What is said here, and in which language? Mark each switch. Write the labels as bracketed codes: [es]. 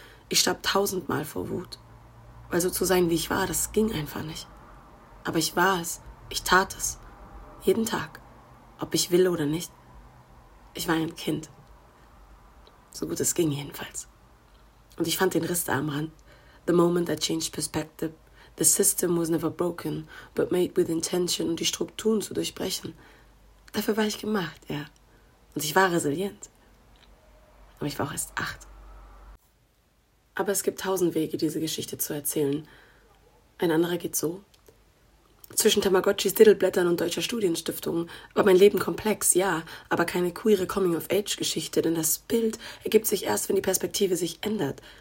[de] Ich starb tausendmal vor Wut. Weil so zu sein, wie ich war, das ging einfach nicht. Aber ich war es. Ich tat es. Jeden Tag, ob ich will oder nicht. Ich war ein Kind. So gut es ging jedenfalls. Und ich fand den Riss da am Rand. [en] The moment I changed perspective. The system was never broken, but made with intention, [de] um die Strukturen zu durchbrechen. Dafür war ich gemacht, ja. Und ich war resilient. Aber ich war auch erst 8. Aber es gibt 1000 Wege, diese Geschichte zu erzählen. Ein anderer geht so. Zwischen Tamagotchis, Diddleblättern und deutscher Studienstiftung war mein Leben komplex, ja, aber keine queere Coming-of-Age-Geschichte, denn das Bild ergibt sich erst, wenn die Perspektive sich ändert.